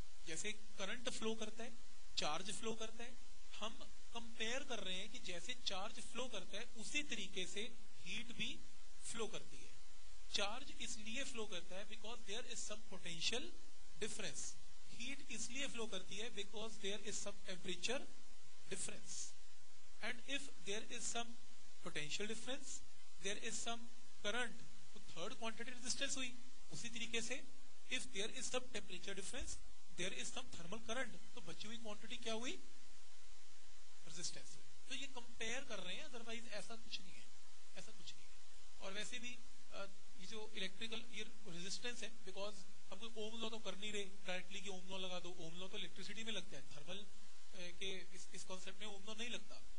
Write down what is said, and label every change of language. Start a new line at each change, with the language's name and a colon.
Hindi: जैसे current flow करता है, चार्ज फ्लो करता है, हम कंपेयर कर रहे हैं कि जैसे चार्ज फ्लो करता है उसी तरीके से हीट भी फ्लो करती है। चार्ज इसलिए फ्लो करता है
English: because there is some potential difference,
Hindi: heat इसलिए फ्लो करती है
English: Because there is some temperature difference. And if there is some potential difference, there is some current,
Hindi: तो third quantity resistance हुई। उसी तरीके से
English: if there is some temperature difference, there is some thermal current,
Hindi: तो बची हुई quantity क्या हुई?
English: Resistance।
Hindi: तो ये compare कर रहे हैं, otherwise ऐसा कुछ नहीं है, ऐसा कुछ नहीं है। और वैसे भी ये जो electrical ये resistance है, because हम कोई ohm law तो कर नहीं रहे directly कि ohm law लगा दो, ohm law तो electricity में लगता है, thermal के इस concept में ohm law नहीं लगता।